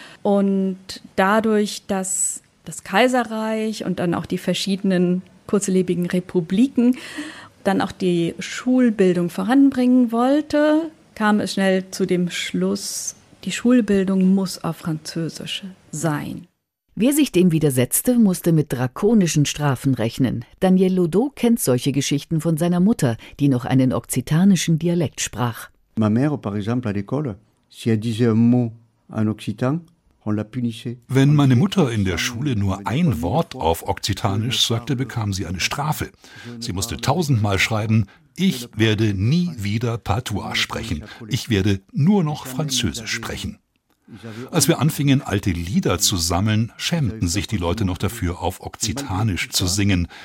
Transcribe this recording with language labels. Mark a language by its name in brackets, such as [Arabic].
[German] Und dadurch, dass das Kaiserreich und dann auch die verschiedenen kurzlebigen Republiken dann auch die Schulbildung voranbringen wollte, kam es schnell zu dem Schluss, die Schulbildung muss auf Französisch sein. Wer sich dem widersetzte, musste mit drakonischen Strafen rechnen. Daniel Lodo kennt solche Geschichten von seiner Mutter, die noch einen okzitanischen Dialekt sprach. [French] Ma mère, par exemple, à l'école, si elle disait un mot en occitan, [German] wenn meine Mutter in der Schule nur ein Wort auf Okzitanisch sagte, bekam sie eine Strafe. Sie musste 1000-mal schreiben, ich werde nie wieder Patois sprechen. Ich werde nur noch Französisch sprechen. Als wir anfingen, alte Lieder zu sammeln, schämten sich die Leute noch dafür, auf Okzitanisch zu singen.